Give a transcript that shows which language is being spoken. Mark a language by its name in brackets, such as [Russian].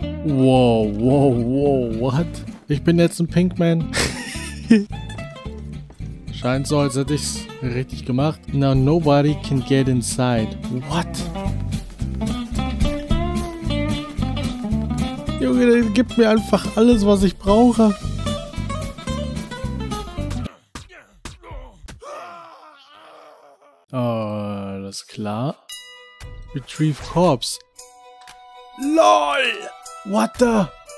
[English] Wow, wow, wow, what? [German] Ich bin jetzt ein Pinkman. Scheint so, als hätte ich's richtig gemacht. [English] Now nobody can get inside. What? [German] Junge, der gibt mir einfach alles, was ich brauche. Alles klar. Retrieve Corpse. LOL! [English] What the?